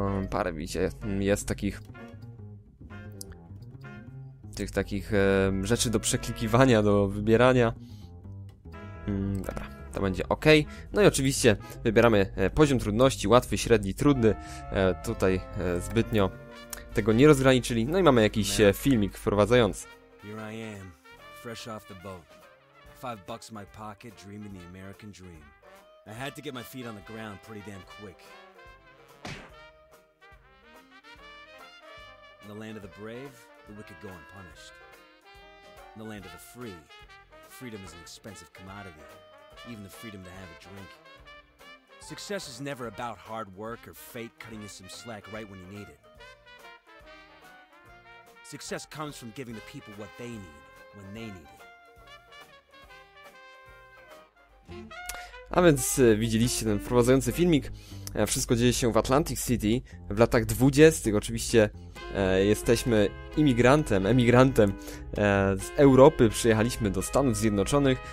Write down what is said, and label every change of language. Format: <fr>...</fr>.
<pl>Parę, widzicie, jest takich rzeczy do przeklikiwania, do wybierania. Dobra, to będzie ok. No i oczywiście wybieramy poziom trudności, łatwy, średni, trudny. Tutaj zbytnio tego nie rozgraniczyli. No i mamy jakiś filmik wprowadzający.</pl> <en>Here I am, fresh off the boat. $5 in my pocket, dreaming the American dream. I had to get my feet on the ground pretty damn quick. In the land of the brave, the wicked go unpunished. In the land of the free, freedom is an expensive commodity. Even the freedom to have a drink. Success is never about hard work or fate cutting you some slack right when you need it. Success comes from giving the people what they need when they need it.</en> <pl>A więc widzieliście ten wprowadzający filmik. Wszystko dzieje się w Atlantic City w latach 20. Oczywiście jesteśmy emigrantem z Europy, przyjechaliśmy do Stanów Zjednoczonych.</pl>